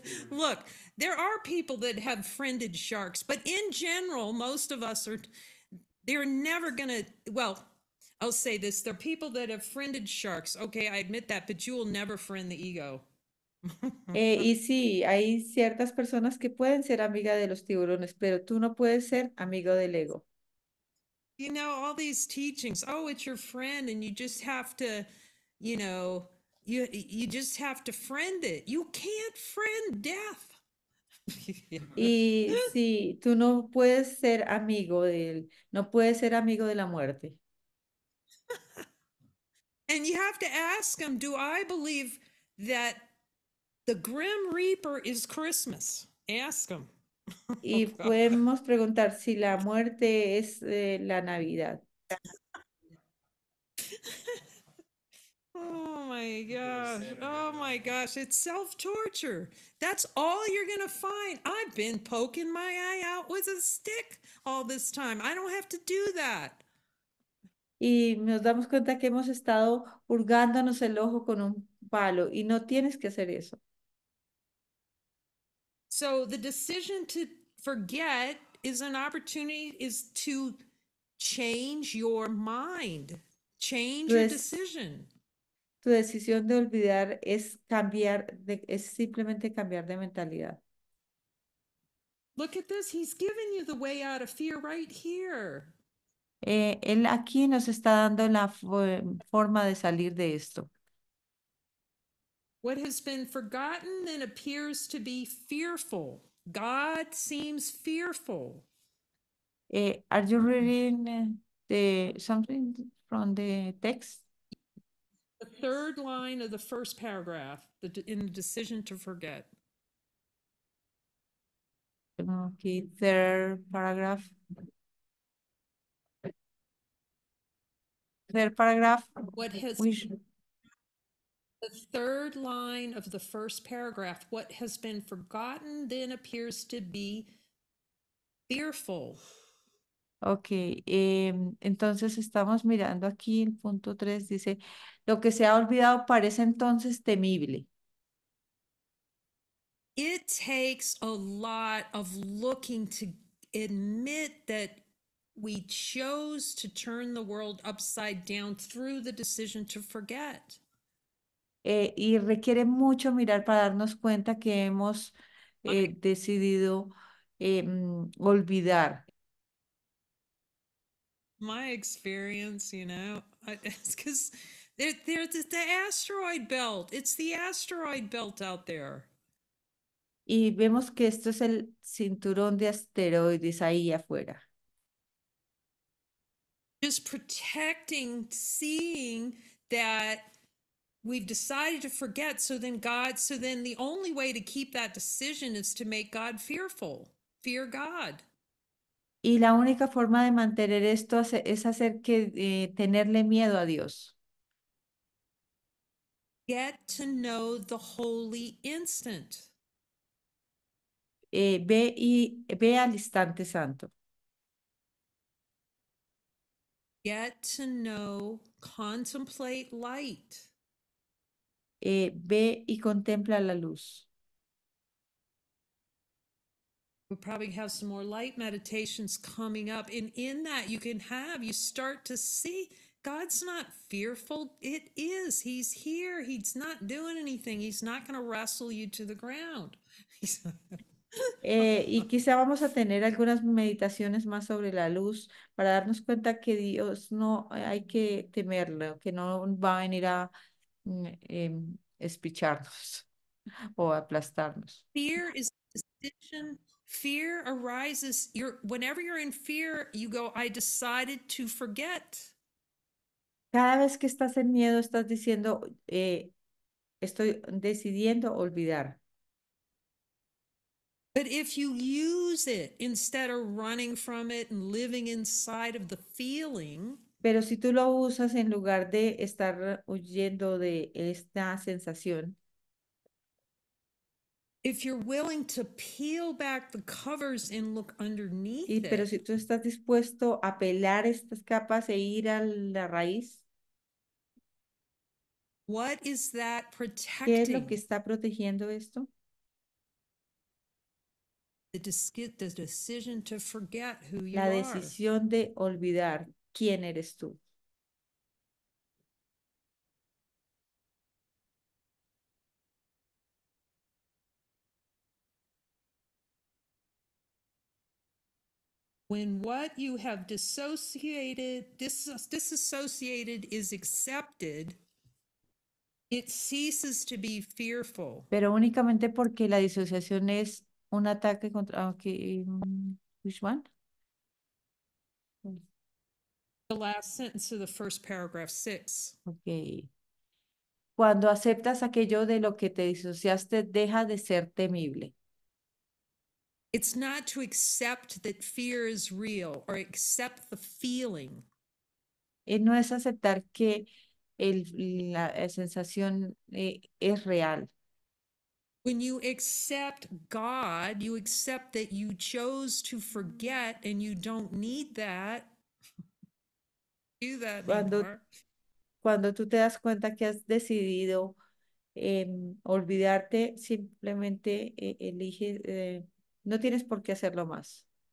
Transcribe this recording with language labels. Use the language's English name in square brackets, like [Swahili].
[English] Look, there are people that have friended sharks, but in general, most of us are, they're never gonna, well, I'll say this, there are people that have friended sharks. Okay, I admit that, but you will never friend the ego. [Spanish] Y sí, hay ciertas personas que pueden ser amiga de los tiburones, pero tú no puedes ser amigo del ego. [English] All these teachings, oh, it's your friend, and you just have to, you just have to friend it. You can't friend death. [Spanish] Y sí, tú no puedes ser amigo de él, no puedes ser amigo de la muerte. [English] And you have to ask him, do I believe that the Grim Reaper is Christmas? Ask him. Oh, [Spanish] Y [English] God. [Spanish] podemos preguntar si la muerte es la Navidad. [English] Oh my [Spanish] No puede [English] gosh. [Spanish] ser, [English] Oh [Spanish] hermano. [English] my gosh. It's self-torture. That's all you're gonna find. I've been poking my eye out with a stick all this time. I don't have to do that. [Spanish] Y nos damos cuenta que hemos estado hurgándonos el ojo con un palo y no tienes que hacer eso. [English] So the decision to forget is an opportunity is to change your mind, change your decision. [Spanish] Tu decisión de olvidar es cambiar de, es simplemente cambiar de mentalidad. [English] Look at this, he's given you the way out of fear right here. [Spanish] Él aquí nos está dando la forma de salir de esto. [English] What has been forgotten then appears to be fearful. God seems fearful. Are you reading the something from the text? Third line of the first paragraph, in the decision to forget. Okay, third paragraph. Third paragraph, What has we should. The third line of the first paragraph, what has been forgotten then appears to be fearful. [Spanish] Okay, entonces estamos mirando aquí el punto 3, dice, lo que se ha olvidado parece entonces temible. [English] It takes a lot of looking to admit that we chose to turn the world upside down through the decision to forget. [Spanish] Y requiere mucho mirar para darnos cuenta que hemos decidido olvidar. [English] My experience, it's because there's the asteroid belt. It's the asteroid belt out there. [Spanish] Y vemos que esto es el cinturón de asteroides ahí afuera. [English] Just protecting, seeing that we've decided to forget. So then the only way to keep that decision is to make God fearful. Fear God. [Spanish] Y la única forma de mantener esto es hacer que tenerle miedo a Dios. [English] Get to know the holy instant. [Spanish] Ve y ve al instante santo. [English] Get to know, contemplate light. [Spanish] Ve y contempla la luz. [English] We'll probably have some more light meditations coming up, and in that you start to see. God's not fearful. It is. He's here. He's not doing anything. He's not going to wrestle you to the ground. He's [Spanish] Y quizá vamos a tener algunas meditaciones más sobre la luz para darnos cuenta que Dios no hay que temerlo, que no va a venir a espicharnos o a aplastarnos. [English] Fear is decision. Fear arises. Whenever you're in fear, you go, I decided to forget. [Spanish] Cada vez que estás en miedo, estás diciendo, estoy decidiendo olvidar. [English] But if you use it instead of running from it and living inside of the feeling, [Spanish] Pero si tú lo usas en lugar de estar huyendo de esta sensación, [English] if you're willing to peel back the covers and look [Spanish] y [English] underneath [Spanish] pero si [English] it, [Spanish] tú estás dispuesto a pelar estas capas e ir a la raíz, [English] what is that [Spanish] ¿qué es lo que está protegiendo esto? [English] The decision to forget who [Spanish] La [English] you are. [Spanish] decisión de olvidar. ¿Quién eres tú? [English] When what you have disassociated is accepted, it ceases to be fearful. [Spanish] Pero únicamente porque la disociación es un ataque contra [English] okay, which one? The last sentence of the first paragraph, six. Okay. [Spanish] Cuando aceptas aquello de lo que te disociaste, deja de ser temible. [English] It's not to accept that fear is real or accept the feeling. [Spanish] Y no es aceptar que la sensación es real. [English] When you accept God, you accept that you chose to forget and you don't need that. do that anymore. [Spanish] cuando tú te das cuenta que has decidido olvidarte, simplemente elige, no tienes por qué hacerlo más.